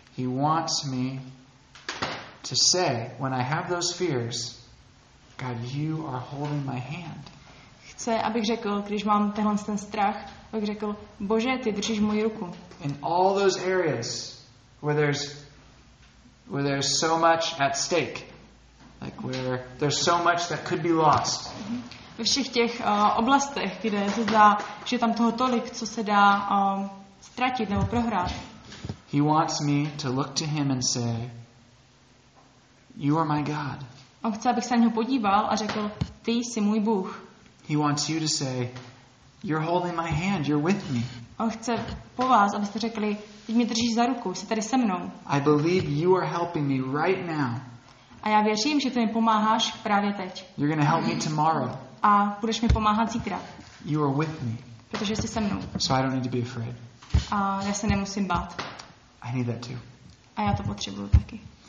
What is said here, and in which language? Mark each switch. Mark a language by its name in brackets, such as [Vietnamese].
[English] He wants me to say, when I have those fears, God, you are holding my hand. [Czech] Chce, abych řekl, když mám tenhle ten strach, abych řekl, Bože, ty držíš moji ruku. [English] In all those areas where there's so much at stake, like where there's so much that could be lost. [Czech] Ve všech těch oblastech, kde se zdá, že tam toho tolik, co se dá ztratit nebo prohrát. [English] He wants me to look to him and say, you are my God. [Czech] On chce, abych se na něho podíval a řekl, ty jsi můj Bůh. [English] He wants you to say, you're holding my hand, you're with me. [Czech] On chce po vás, abyste řekli, ty mě držíš za ruku, jsi tady se mnou. [English] I believe you are helping me right now. [Czech] A já věřím, že ty mi pomáháš právě teď. [English] You're going to help me tomorrow. [Czech] A budeš mi pomáhat zítra. [English] You are with me. [Czech] Protože jsi se mnou. [English] So I don't need to be afraid. [Czech] A já se nemusím bát. [English] I need that too. [Czech] A já to potřebuju taky.